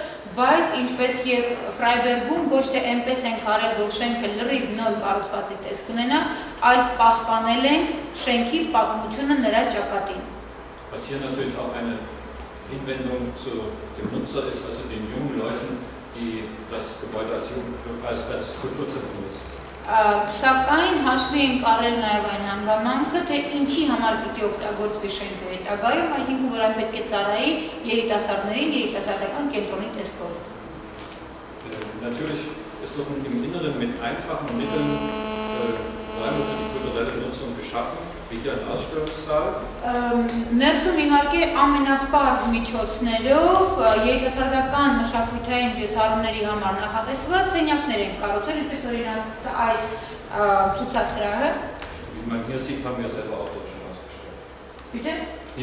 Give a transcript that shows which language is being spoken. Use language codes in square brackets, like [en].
[hy] Բայց ինչպես և Ֆրայբերգում ոչ թե այնպես են կարել, որ շենքը լրիվ նոր կառուցվածի տեսք ունենա, այլ պահպանել ենք շենքի պատմությունը նրա ճակատին։ [de] Was hier natürlich auch eine Hinwendung zu dem Nutzer ist, also den jungen Leuten, die das Gebäude als Kulturzentrum ist. [hy] Սակայն հաշվի ենք առել նաև այն հանգամանքը, թե ինչի համար պիտի օգտագործվի շենքը հետագայում, այսինքն որ այն պետք է ծառայի երիտասարդներին, երիտասարդական կենտրոնի տեսքով։ [de] Natürlich ist doch im Inneren mit einfachen Mitteln Räume für die kulturelle Nutzung geschaffen, wie hier ein Ausstellungssaal. [hy] Ներսում իհարկե ամենապարզ միջոցներով երիտասարդական մշակութային ջեցարումների համար նախատեսված սենյակներ են կառուցել, ինչպես օրինակ այս ցուցասրահը։ [de] Wie man hier sieht, haben wir selber auch dort schon ausgestellt.